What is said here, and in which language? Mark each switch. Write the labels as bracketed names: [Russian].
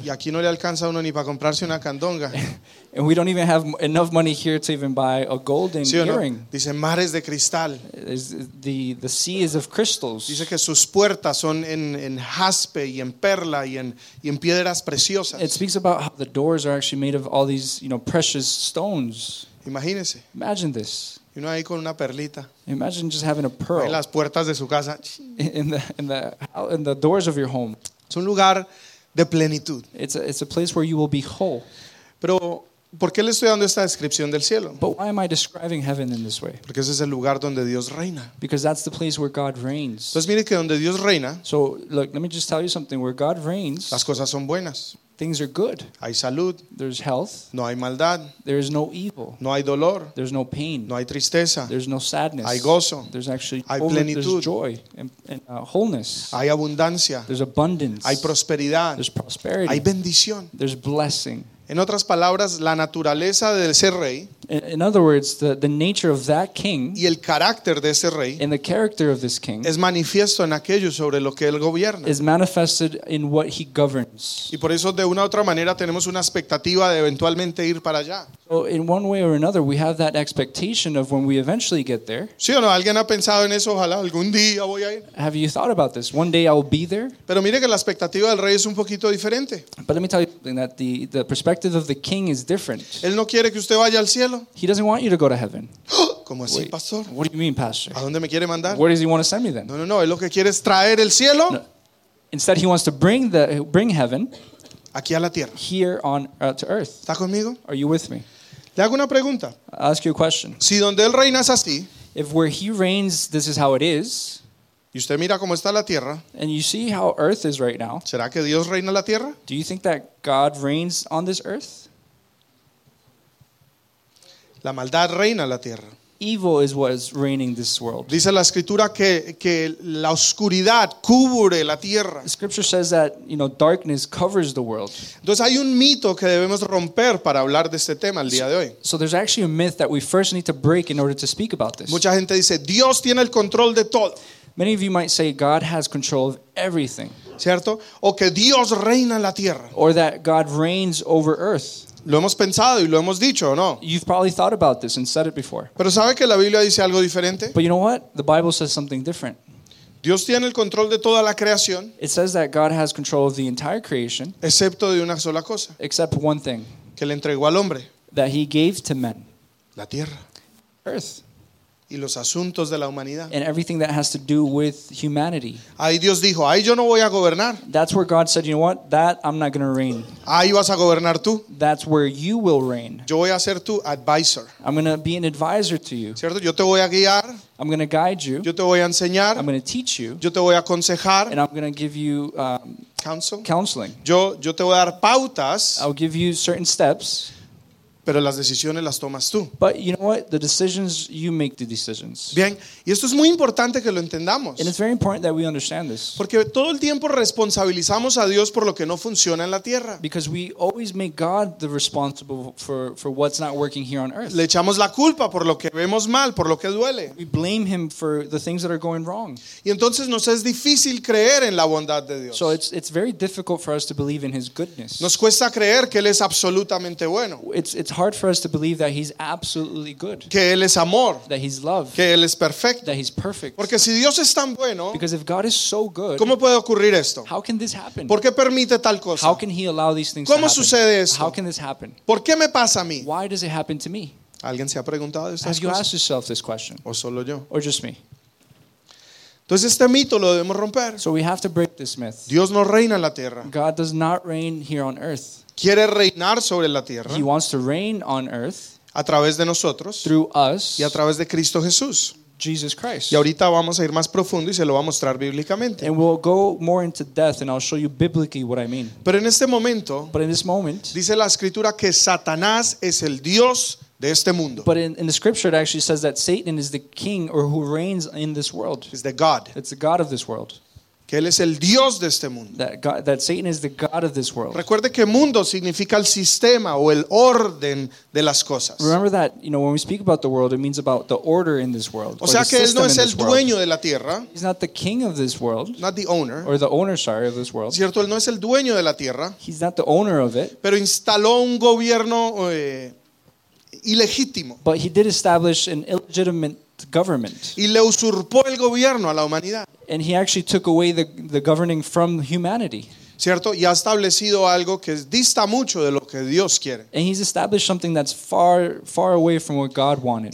[Spanish] Y aquí no le alcanza uno ni para comprarse una candonga. [English] And we don't even have enough money here to even buy a golden [Spanish] ¿sí o no? [English] earring. [Spanish] Dice mares de cristal. [English] The sea is of crystals. [Spanish] Dice que sus puertas son en jaspe y en perla y en piedras preciosas. [English] It speaks about how the doors are actually made of all these, you know, precious stones. [Spanish] Imagínese. [English] Imagine this. [Spanish] Y uno ahí con una perlita. [English] Imagine just having a pearl. [Spanish] En las puertas de su casa. [English] In the doors of your home. [Spanish] Es un lugar de plenitud. [English] It's a place where you will be whole. [Spanish] Pero ¿por qué le estoy dando esta descripción del cielo? [English] But why am I describing heaven in this way? [Spanish] Porque ese es el lugar donde Dios reina. [English] Because that's the place where God reigns. [Spanish] Entonces mire que donde Dios reina. [English] So look, let me just tell you something. Where God reigns. [Spanish] Las cosas son buenas. [English] Things are good. [Spanish] Hay salud. [English] There's health. [Spanish] No hay maldad. [English] There is no evil. [Spanish] No hay dolor. [English] There's no pain. [Spanish] No hay tristeza. [English] There's no sadness. [Spanish] Hay gozo. [English] There's actually [Spanish] hay [English] plenitud. There's joy and wholeness. [Spanish] Hay abundancia. [English] There's abundance. [Spanish] Hay prosperidad. [English] There's prosperity. [Spanish] Hay bendición. [English] There's blessing. [Spanish] En otras palabras, la naturaleza de ese rey. [English] In other words, the nature of that king. [Spanish] Y el carácter de ese rey. [English] And the character of this king. [Spanish] Es manifiesto en aquello sobre lo que él gobierna. [English] Is manifested in what he governs. [Spanish] Y por eso, de una u otra manera, tenemos una expectativa de eventualmente ir para allá. [English] So in one way or another, we have that expectation of when we eventually get there. [Spanish] ¿Sí o no? ¿Alguien ha pensado en eso? Ojalá algún día voy a ir. [English] Have you thought about this? One day I'll be there. [Spanish] Pero mire que la expectativa del rey es un poquito diferente. [English] But let me tell you something, that the perspective of the king is different. [Spanish] Él no quiere que usted vaya al cielo. [English] He doesn't want you to go to heaven. [Spanish] ¿Cómo así, pastor? [English] What do you mean, pastor? [Spanish] ¿A dónde me quiere mandar? [English] Where does he want to send me then? [Spanish] No. Él lo que quiere es traer el cielo. [English] Instead, he wants to bring heaven. [Spanish] Aquí a la tierra. [English] Here on to earth. [Spanish] ¿Está conmigo? [English] Are you with me? [Spanish] Le hago una pregunta. [English] I'll ask you a question. [Spanish] Si donde él reina es así. [English] If where he reigns, this is how it is. [Spanish] Y usted mira cómo está la tierra. [English] And you see how earth is right now. [Spanish] ¿Será que Dios reina la tierra? [English] Do you think that God reigns on this earth? [Spanish] La maldad reina la tierra. [English] evil is what is reigning this world. [Spanish] Dice la escritura que la oscuridad cubre la tierra. [English] The scripture says that, you know, darkness covers the world. [Spanish] Entonces hay un mito que debemos romper para hablar de este tema el día de hoy. [English] So there's actually a myth that we first need to break in order to speak about this. [Spanish] Mucha gente dice Dios tiene el control de todo. [English] Many of you might say God has control of everything. [Spanish] ¿Cierto? O que Dios reina en la tierra. [English] Or that God reigns over earth. [Spanish] Lo hemos pensado y lo hemos dicho, ¿no? [English] You've probably thought about this and said it before. [Spanish] Pero ¿sabe que la Biblia dice algo diferente? [English] But you know what? The Bible says something different. [Spanish] Dios tiene el control de toda la creación. [English] It says that God has control of the entire creation. [Spanish] Excepto de una sola cosa. [English] Except one thing. [Spanish] Que le entregó al hombre. [English] That he gave to men. [Spanish] La tierra. [English] Earth. [Spanish] Y los asuntos de la humanidad. [English] And everything that has to do with humanity. [Spanish] Ahí Dios dijo, ahí yo no voy a gobernar. [English] That's where God said, you know what? That I'm not going to reign. [Spanish] Ahí vas a gobernar tú. [English] That's where you will reign. [Spanish] Yo voy a ser tu advisor. [English] I'm going to be an advisor to you. [Spanish] ¿Cierto? Yo te voy a guiar. [English] I'm going to guide you. [Spanish] Yo te voy a enseñar. [English] I'm going to teach you. [Spanish] Yo te voy a aconsejar. [English] And I'm going to give you counsel. Counseling. [Spanish] Yo te voy a dar pautas. [English] I'll give you certain steps. [Spanish] Pero las decisiones las tomas tú. [English] But you know what? The decisions, you make the decisions. [Spanish] Bien, y esto es muy importante que lo entendamos. [English] And it's very important that we understand this. [Spanish] Porque todo el tiempo responsabilizamos a Dios por lo que no funciona en la tierra. [English] Because we always make God the responsible for what's not working here on earth. [Spanish] Le echamos la culpa por lo que vemos mal, por lo que duele. [English] We blame him for the things that are going wrong. [Spanish] Y entonces nos es difícil creer en la bondad de Dios. [English] So it's very difficult for us to believe in his goodness. [Spanish] Nos cuesta creer que él es absolutamente bueno. [English] It's hard for us to believe that he's absolutely good. [Spanish] Que él es amor. [English] That he's love. [Spanish] Que él es perfecto. [English] That he's perfect. [Spanish] Porque si Dios es tan bueno, [English] because if God is so good, [Spanish] ¿cómo puede ocurrir esto? [English] How can this happen? [Spanish] ¿Por qué permite tal cosa? [English] How can he allow these things [Spanish] ¿cómo [English] to happen? [Spanish] Sucede esto? [English] How can this happen? [Spanish] ¿Por qué me pasa a mí? [English] Why does it happen to me? [Spanish] ¿Alguien se ha preguntado estas [English] cosas? Have you asked yourself this question? [Spanish] ¿O solo yo? [English] Or just me? [Spanish] Entonces este mito lo debemos romper. [English] So we have to break this myth. [Spanish] Dios no reina en la tierra. [English] God does not reign here on earth. [Spanish] Quiere reinar sobre la tierra. [English] He wants to reign on earth. [Spanish] A través de nosotros. [English] Through us. [Spanish] Y a través de Cristo Jesús. [English] Jesus Christ. [Spanish] Y ahorita vamos a ir más profundo y se lo va a mostrar bíblicamente. [English] And we'll go more into depth and I'll show you biblically what I mean. [Spanish] Pero en este momento. [English] But in this moment. [Spanish] Dice la escritura que Satanás es el Dios de este mundo. [English] But in the scripture it actually says that Satan is the king or who reigns in this world. Is the God. It's the God of this world. [Spanish] Que él es el Dios de este mundo. [English] That, God, that Satan is the God of this world. [Spanish] Recuerde que mundo significa el sistema o el orden de las cosas. [English] Remember that, you know, when we speak about the world, it means about the order in this world. [Spanish] O sea que él no es el dueño de la tierra. [English] He's not the king of this world. Not the owner. Or the owner, sorry, of this world. [Spanish] Cierto, él no es el dueño de la tierra. [English] He's not the owner of it. [Spanish] Pero instaló un gobierno ilegítimo. [English] But he did establish an illegitimate government. [Spanish] Y le usurpó el gobierno a la humanidad. [English] And he actually took away the governing from humanity. [Spanish] ¿Cierto? Y ha establecido algo que dista mucho de lo que Dios quiere. [English] And he's established something that's far, far away from what God wanted.